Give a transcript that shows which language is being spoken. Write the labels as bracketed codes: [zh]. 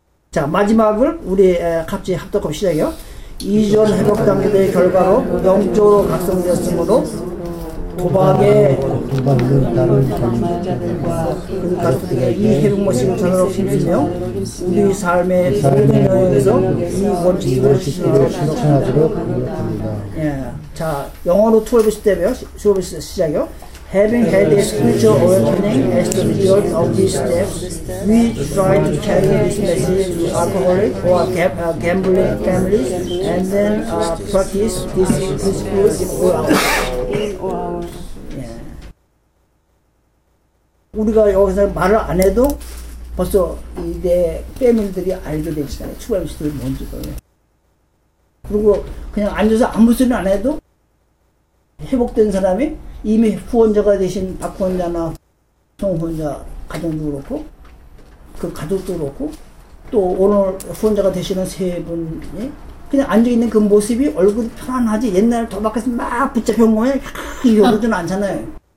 [ko] 자, 마지막을 우리 같이 합독하고 시작해요. 이전 회복 단계의 결과로 영적으로 각성되었으므로 도박에 도박을 다른 사람들과 이 회복 모습을 전하러 힘쓰며 우리 삶의 모든 영역에서 이 원칙을 실천하도록 노력합니다. 예. 자, 영어로 12 스텝이요. 12 스텝 시작이요. [en] Having had a spiritual awakening as the result of these steps, we try to carry this message to alcoholic or gambling families and then practice this principle in all our lives. [ko] 우리가 여기서 말을 안 해도 벌써 이제 패밀들이 알게 되잖아요. 추가미스들 먼저도. 그리고 그냥 앉아서 아무 소리 안 해도 회복된 사람이 이미 후원자가 되신 박 후원자나 송 후원자 가정도 그렇고 그 가족도 그렇고 또 오늘 후원자가 되시는 세 분이 그냥 앉아있는 그 모습이 얼굴이 편안하지 옛날 도박에서 막 붙잡혀온 거에 이러지는 않잖아요.